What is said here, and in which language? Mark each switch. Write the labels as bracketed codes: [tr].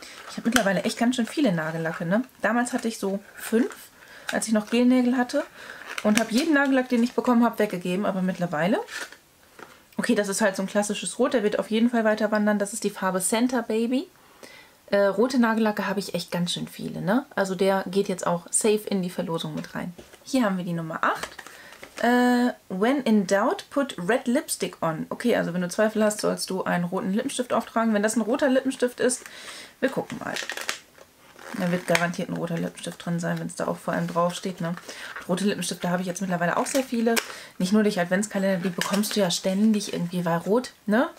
[de] Ich habe mittlerweile echt ganz schön viele Nagellacke, ne? Damals hatte ich so 5, als ich noch Gelnägel hatte und habe jeden Nagellack, den ich bekommen habe, weggegeben. Aber mittlerweile, okay, das ist halt so ein klassisches Rot, der wird auf jeden Fall weiter wandern. Das ist die Farbe Santa Baby. Rote Nagellacke habe ich echt ganz schön viele, ne? Also der geht jetzt auch safe in die Verlosung mit rein. Hier haben wir die Nummer 8. [en] When in doubt, put red lipstick on. [de] Okay, also wenn du Zweifel hast, sollst du einen roten Lippenstift auftragen. Wenn das ein roter Lippenstift ist, wir gucken mal. Da wird garantiert ein roter Lippenstift drin sein, wenn es da auch vor allem draufsteht, ne? Rote Lippenstifte habe ich jetzt mittlerweile auch sehr viele. Nicht nur durch Adventskalender, die bekommst du ja ständig irgendwie, weil rot, ne?